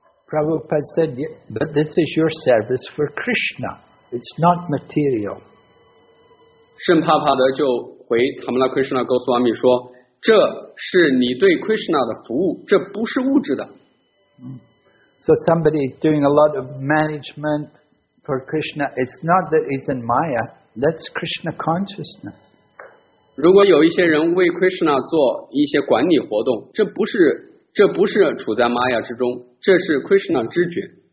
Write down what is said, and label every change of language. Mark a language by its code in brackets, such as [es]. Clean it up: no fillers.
[en] Prabhupada said, but this is your service for Krishna. It's not material. [zh] 圣帕帕德就回塔姆拉奎什纳高斯瓦米说，这是你对 Krishna 的服务，这不是物质的。 [en] So somebody doing a lot of management for Krishna, it's not that it's in Maya, that's Krishna consciousness. [zh] 如果有一些人为 Krishna 做一些管理活动，这不是处在 Maya 之中，这是 Krishna 知觉。